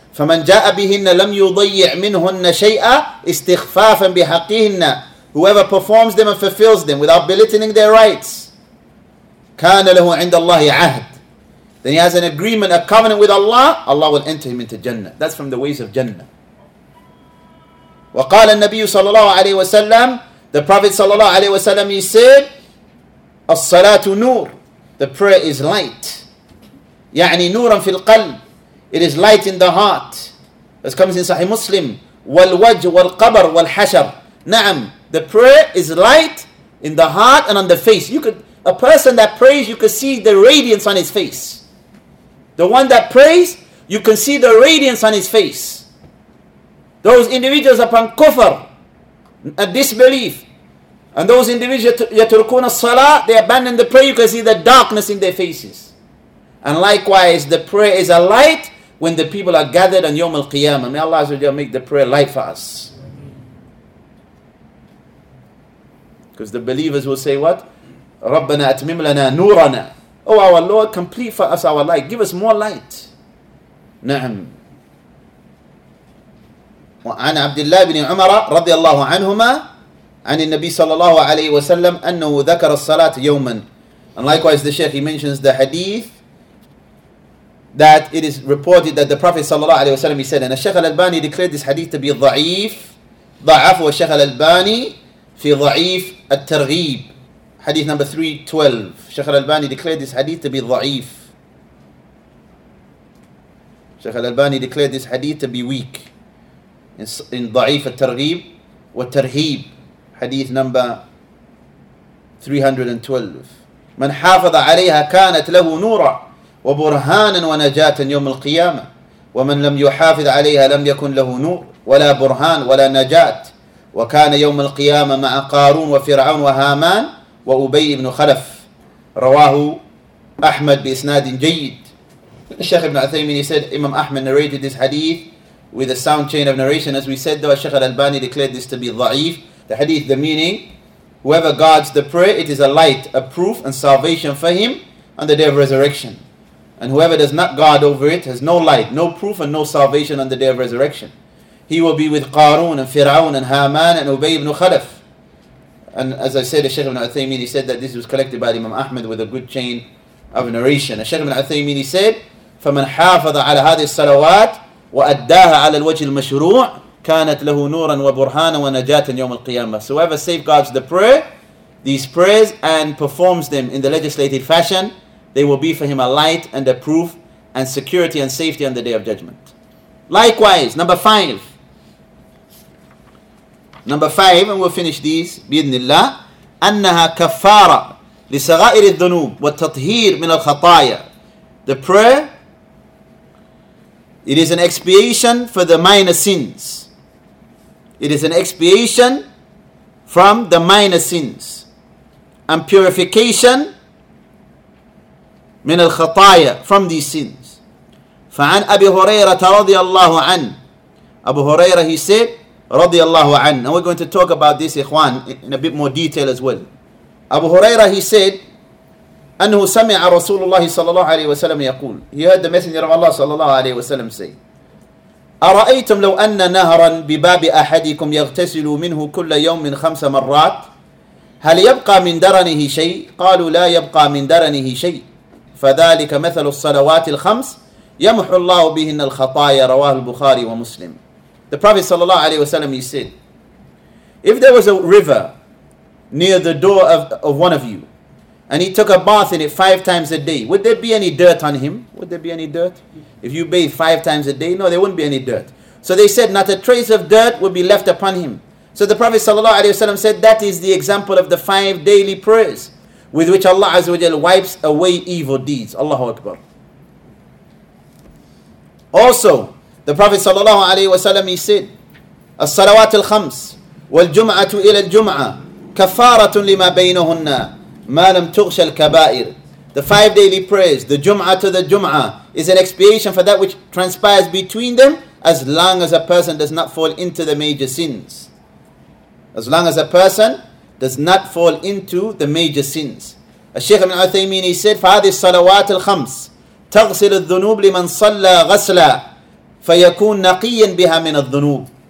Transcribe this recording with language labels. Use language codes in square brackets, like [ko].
[ar] فَمَنْ جَاءَ بِهِنَّ لَمْ يُضَيِّعْ مِنْهُنَّ شَيْئًا إِسْتِخْفَافًا بِحَقِّهِنَّ. [en] Whoever performs them and fulfills them without belittling their rights, [ar] كَانَ لَهُ عِنْدَ اللَّهِ عَهْدٍ. [en] Then he has an agreement, a covenant with Allah. Allah will enter him into Jannah. That's from the ways of Jannah. [ar] وَقَالَ النَّبِيُّ صَلَّى اللَّهُ عَلَيْهِ وَسَلَّمُ. [en] The Prophet [ar] صَلَّى اللَّهُ عَلَيْهِ وَسَلَّمُ, [en] he said, [ar] الصَّلَاةُ نُورٌ. [en] The prayer is light. [ar] يَعْنِي نُورًا فِي الْقَلْبِ. [en] It is light in the heart. As comes in Sahih Muslim. [ar] وَالْوَجْهُ وَالْقَبْرُ وَالْحَشَرُ. [en] نَعَمْ. The prayer is light in the heart and on the face. A person that prays, you can see the radiance on his face. The one that prays, you can see the radiance on his face. Those individuals upon kufr, a disbelief, and those individuals yatrukuna salah, they abandon the prayer, you can see the darkness in their faces. And likewise, the prayer is a light when the people are gathered on Yawm al-Qiyamah. May Allah make the prayer light for us. Because the believers will say what? [ar] رَبَّنَا أَتْمِمْ لَنَا نُورَنَا. [en] Oh, our Lord, complete for us our light. Give us more light. [ar] نعم. وعن عبد الله بن عمر رضي الله عنهما عن النبي صلى الله عليه وسلم أنه ذكر الصلاة يوما. [en] And likewise, the Shaykh, he mentions the hadith that it is reported that the Prophet صلى الله عليه وسلم, he said, and الشيخ الألباني declared this hadith to be ضعيف. [ar] ضعف الشيخ الألباني في ضعيف الترغيب. [en] Hadith number 312. Shaykh al-Albani declared this hadith to be ضعيف. Shaykh al-Albani declared this hadith to be weak. In [ar] ضعيف الترغيب والترهيب. [en] Hadith number 312. [ar] من حافظ عليها كانت له نورا وبرهانا ونجاة يوم القيامة ومن لم يحافظ عليها لم يكن له نور ولا برهان ولا نجاة وكان يوم القيامة مع قارون وفرعون وهامان وأبي بن خلف. رواه أحمد بإسناد جيد. الشيخ ابن عثيمين, [en] he said, Imam Ahmad narrated this hadith with a sound chain of narration. As we said, though, Shaykh al-Albani declared this to be ضعيف. The hadith, the meaning, whoever guards the prayer, it is a light, a proof, and salvation for him on the day of resurrection. And whoever does not guard over it has no light, no proof, and no salvation on the day of resurrection. He will be with Qarun and Fir'aun and Haman and Ubay ibn Khalaf. And as I said, Shaykh ibn Uthaymeen, he said that this was collected by Imam Ahmed with a good chain of narration. Shaykh ibn Uthaymeen, he said, [ar] فَمَنْ حَافَظَ عَلَى هَذِهِ الصَّلَوَاتِ وَأَدَّاهَا عَلَى الْوَجْهِ الْمَشْرُوعِ كَانَتْ لَهُ نُورًا وَبُرْهَانًا وَنَجَاتًا يَوْمَ الْقِيَامَةِ. [en] So whoever safeguards the prayer, these prayers, and performs them in the legislated fashion, they will be for him a light and a proof and security and safety on the day of judgment. Likewise, number five, and we'll finish these, [ar] بِإِذْنِ اللَّهِ أَنَّهَا كَفَّارَ لِسَغَائِرِ الذُّنُوبِ وَالتَّطْهِيرِ مِنَ الْخَطَايَا. [en] The prayer, it is an expiation for the minor sins. It is an expiation from the minor sins. And purification, [ar] مِنَ الْخَطَايَا, [en] from these sins. [ar] فَعَنْ أَبِي هُرَيْرَةَ رَضِيَ اللَّهُ عَنْهُ. [en] Abu Huraira, he said, [ar] رضي الله عنه. [en] And we're going to talk about this, Ikhwan, in a bit more detail as well. Abu Huraira, he said, [ar] أنه سمع رسول الله صلى الله عليه وسلم يقول. He heard the messenger of Allah صلى الله عليه وسلم say, أرأيتم لو أن نهرا بباب أحدكم يغتسل منه كل يوم من خمس مرات هل يبقى من درنه شيء؟ قالوا لا يبقى من درنه شيء. فذلك مثل الصلوات الخمس يمحو الله بهن الخطايا رواه البخاري ومسلم. [en] The Prophet sallallahu alaihi wasallam, he said, if there was a river near the door of one of you and he took a bath in it five times a day, would there be any dirt on him? Would there be any dirt? If you bathe five times a day, no, there wouldn't be any dirt. So they said, not a trace of dirt would be left upon him. So the Prophet sallallahu alaihi wasallam said, that is the example of the five daily prayers with which Allah azza wa jalla wipes away evil deeds. Allahu Akbar. Also, the Prophet sallallahu alaihi wasallam, he said, [ar] الصلوات الخمس والجمعة إلى الجمعة كفارة لما بينهن ما لم تغش الكبائر. [en] The five daily prayers, the Jum'ah to the Jum'ah, is an expiation for that which transpires between them, as long as a person does not fall into the major sins. As long as a person does not fall into the major sins. [ar] الشيخ ابن عثيمين, [en] he said, [ar] فهذه الصلوات الخمس تغسل الذنوب لمن صلى غسلا فَيَكُونَ نَقِيًّا بِهَا مِنَ الظُّنُوبِ.